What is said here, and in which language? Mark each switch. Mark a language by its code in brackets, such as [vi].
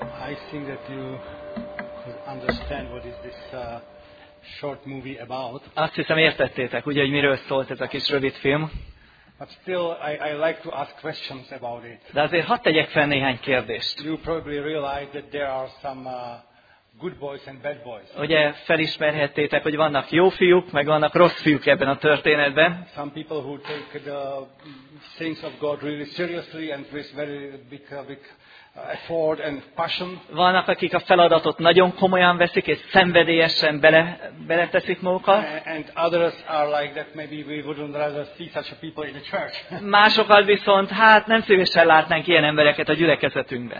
[en] I think that you could understand what is this short movie about. [hu] Azt hiszem értettétek, ugye, hogy miről szólt ez a kis rövid film. [en] But still, I like to ask questions about it. [hu] De azért hadd tegyek fel néhány kérdést. [en] You probably realize that there are some good boys and bad boys. [hu] Ugye felismerhettétek, hogy vannak jó fiúk, meg vannak rossz fiúk ebben a történetben. [en] Some people who take the things of God really seriously and with very big effort and passion. [hu] Vannak, akik a feladatot nagyon komolyan veszik és szenvedélyesen beleteszik magukat. [en] And others are like that, maybe we wouldn't rather see such a people in the church. [hu] Másokat viszont hát nem szívesen látnánk ilyen embereket a gyülekezetünkben.